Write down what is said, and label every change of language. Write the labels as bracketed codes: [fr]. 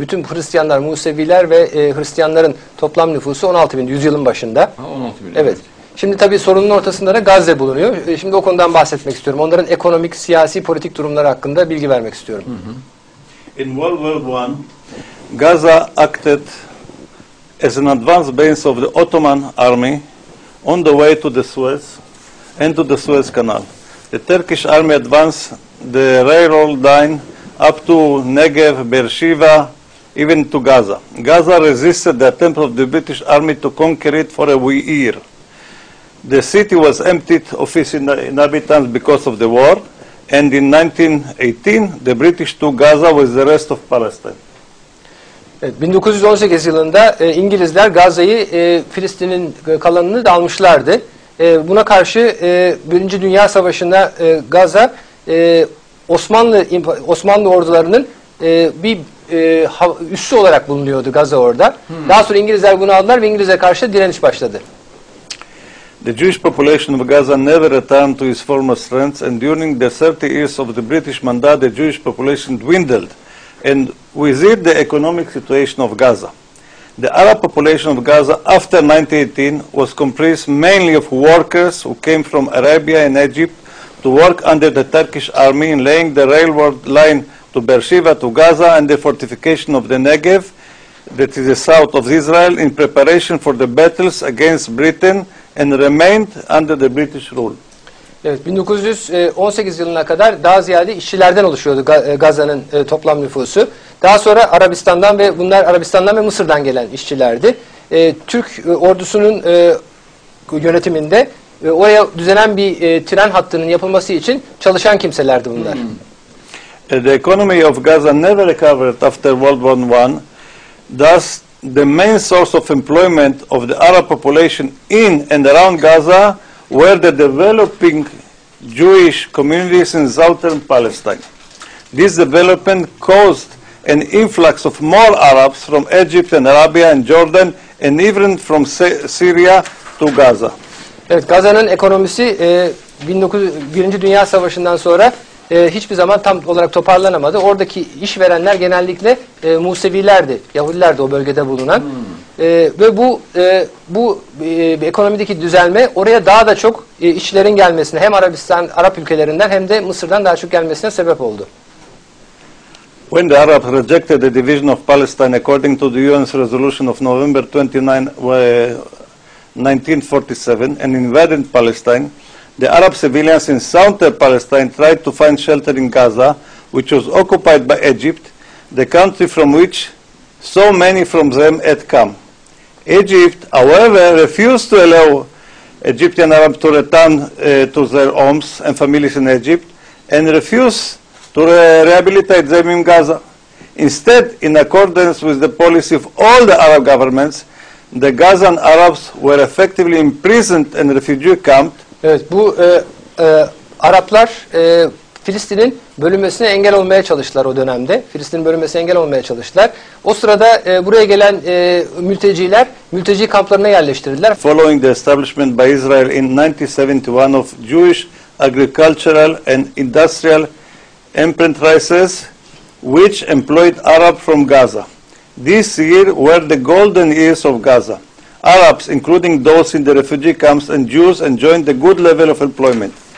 [tr] Bütün Hristiyanlar, Museviler ve Hristiyanların toplam nüfusu 16 bindi yüzyılın başında. Ha, 16 bin. Evet. Şimdi tabii sorunun ortasında da Gazze bulunuyor. Şimdi o konudan bahsetmek istiyorum. Onların ekonomik, siyasi, politik durumları hakkında bilgi vermek istiyorum. [en] In World War I, Gaza acted as an advance base of the Ottoman army on the way to the Suez and to the Suez Canal. The Turkish army advanced the railroad line up to Negev, Beersheba, even to Gaza. Gaza resisted the attempt of the British army to conquer it for a year. The city was emptied of its inhabitants because of the war, and in 1918 the British took Gaza with the rest of Palestine. [tr] Evet, 1918 yılında İngilizler Gaza'yı, Filistin'in kalanını da almışlardı. Buna karşı Birinci Dünya Savaşı'nda Gaza Osmanlı ordularının bir üssü olarak bulunuyordu Gaza orada. Hmm. Daha sonra İngilizler bunu aldılar ve İngilizler karşı direniş başladı. [en] The Jewish population of Gaza never returned to its former strength, and during the 30 years of the British mandate, the Jewish population dwindled, and with it, the economic situation of Gaza. The Arab population of Gaza after 1918 was comprised mainly of workers who came from Arabia and Egypt to work under the Turkish army in laying the railroad line to Beersheba, to Gaza, and the fortification of the Negev, that is the south of Israel, in preparation for the battles against Britain, and remained under the British rule. [tr] Evet, 1918 yılına kadar daha ziyade işçilerden oluşuyordu Gaza'nın toplam nüfusu. Daha sonra Arabistan'dan ve Mısır'dan gelen işçilerdi. Türk ordusunun yönetiminde oraya düzenen bir tren hattının yapılması için çalışan kimselerdi bunlar. [en] The economy of Gaza never recovered after World War I. Thus, the main source of employment of the Arab population in and around Gaza were the developing Jewish communities in southern Palestine. This development caused an influx of more Arabs from Egypt and Arabia and Jordan and even from Syria to Gaza. [tr] Evet, Gaza'nın ekonomisi 1. Dünya Savaşı'ndan sonra hiçbir zaman tam olarak toparlanamadı. Oradaki iş verenler genellikle Musevilerdi, Yahudilerdi o bölgede bulunan. Ve bu ekonomideki düzelme oraya daha da çok işçilerin gelmesine, hem Arabistan, Arap ülkelerinden hem de Mısır'dan daha çok gelmesine sebep oldu. [en] When the Arabs rejected the division of Palestine according to the UN's resolution of November 29, 1947 and invaded Palestine, the Arab civilians in southern Palestine tried to find shelter in Gaza, which was occupied by Egypt, the country from which so many from them had come. Egypt, however, refused to allow Egyptian Arabs to return to their homes and families in Egypt, and refused to rehabilitate them in Gaza. Instead, in accordance with the policy of all the Arab governments, the Gazan Arabs were effectively imprisoned in refugee camps. [tr] Evet, bu Araplar Filistin'in bölünmesine engel olmaya çalıştılar o dönemde. Filistin'in bölünmesine engel olmaya çalıştılar. O sırada buraya gelen mülteciler mülteci kamplarına yerleştirildiler. [en] Following the establishment by Israel in 1971 of Jewish agricultural and industrial enterprises which employed Arabs from Gaza. This year were the golden years of Gaza. Arabs, including those in the refugee camps and Jews, enjoyed a good level of employment.